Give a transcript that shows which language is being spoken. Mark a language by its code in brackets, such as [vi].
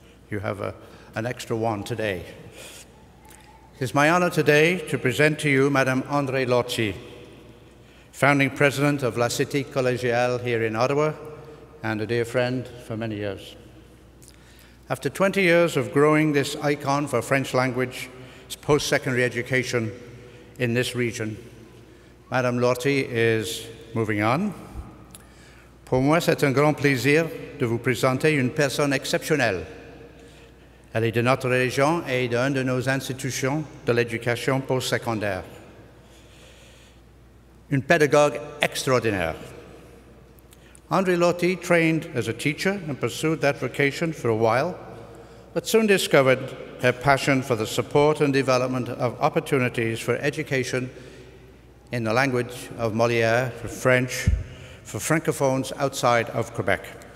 [en] You have an extra one today. It is my honor today to present to you Madam Andrée Lortie, founding president of La Cité Collégiale here in Ottawa, and a dear friend for many years. After 20 years of growing this icon for French language, post-secondary education in this region, Madame Lortie is moving on. [fr] Pour moi, c'est un grand plaisir de vous présenter une personne exceptionnelle. Elle est de notre région et d'une de nos institutions de l'éducation post-secondaire. Une pédagogue extraordinaire. [en] Andrée Lortie trained as a teacher and pursued that vocation for a while, but soon discovered her passion for the support and development of opportunities for education in the language of Molière, for French, for Francophones outside of Quebec.